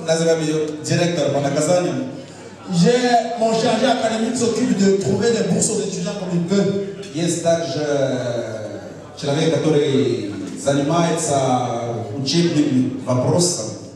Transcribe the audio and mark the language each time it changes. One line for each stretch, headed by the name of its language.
Russian: Назовем ее директор по наказаниям.
French: J'ai mon chargé académique qui s'occupe de trouver des bourses aux étudiants comme il peut.
Russian: Есть также человек, который занимается учебным вопросом.